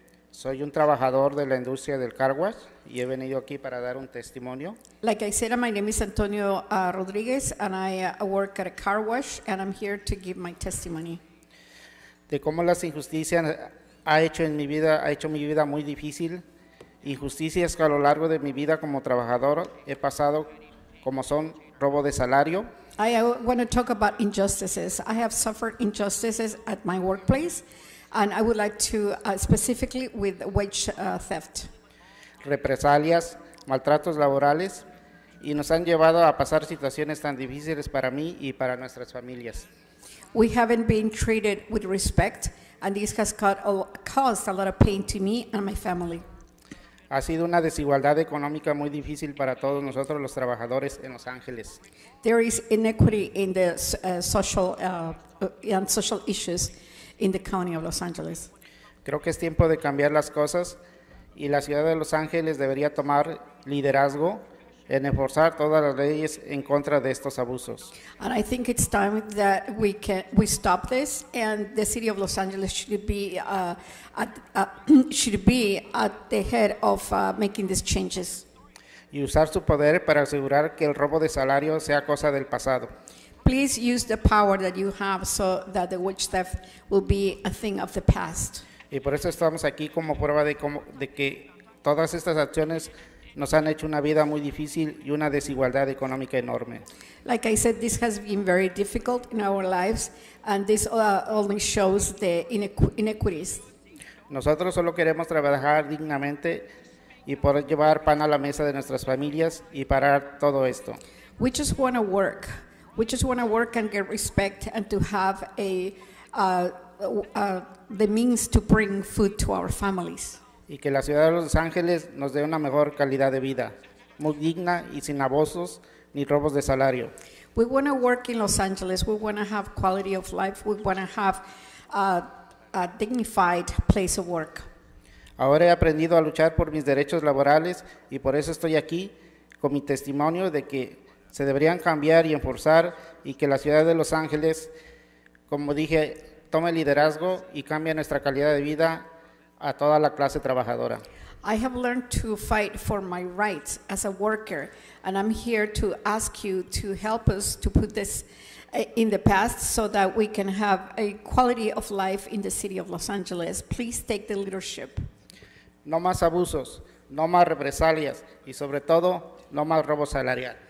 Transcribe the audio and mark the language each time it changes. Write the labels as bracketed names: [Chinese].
[Spanish] Soy un trabajador de la industria del car wash y he venido aquí para dar un testimonio. [English] Like I said, my name is Antonio Rodriguez and I work at a car wash and I'm here to give my testimony. [Spanish] De cómo las injusticias ha hecho mi vida muy difícil. Injusticias que a lo largo de mi vida como trabajador he pasado como son robo de salario. [English] I want to talk about injustices. I have suffered injustices at my workplace. And I would like to specifically with wage theft. [Spanish] Represalias, maltratos laborales, y nos han llevado a pasar situaciones tan difíciles para mí y para nuestras familias. [English] We haven't been treated with respect, and this has caused a lot of pain to me and my family. [Spanish] Ha sido una desigualdad económica muy difícil para todos nosotros los trabajadores en Los Ángeles. [English] There is inequity in the social and social issues in the county of Los Angeles. [Spanish] Creo que es tiempo de cambiar las cosas y la ciudad de Los Ángeles debería tomar liderazgo en enforzar todas las leyes en contra de estos abusos. [English] And I think it's time that we stop this, and the city of Los Angeles should be at the head of making these changes. [Spanish] Y usar su poder para asegurar que el robo de salario sea cosa del pasado. [English] Please use the power that you have so that the wage theft will be a thing of the past. [Spanish] Y por eso estamos aquí como prueba de que todas estas acciones nos han hecho una vida muy difícil y una desigualdad económica enorme. [English] Like I said, this has been very difficult in our lives, and this only shows the inequities. [Spanish] Nosotros solo queremos trabajar dignamente y poder llevar pan a la mesa de nuestras familias y parar todo esto. [English] We just want to work. We just want to work and get respect and to have the means to bring food to our families. [Spanish] Y que la ciudad de Los Ángeles nos dé una mejor calidad de vida, muy digna y sin abusos ni robos de salario. [English] We want to work in Los Angeles. We want to have quality of life. We want to have a dignified place of work. [Spanish] Ahora he aprendido a luchar por mis derechos laborales y por eso estoy aquí con mi testimonio de que se deberían cambiar y enforzar y que la ciudad de Los Ángeles, como dije, tome liderazgo y cambie nuestra calidad de vida a toda la clase trabajadora. [English] I have learned to fight for my rights as a worker, and I'm here to ask you to help us to put this in the past so that we can have a quality of life in the city of Los Angeles. Please take the leadership. [Spanish] No más abusos, no más represalias, y sobre todo, no más robo salarial.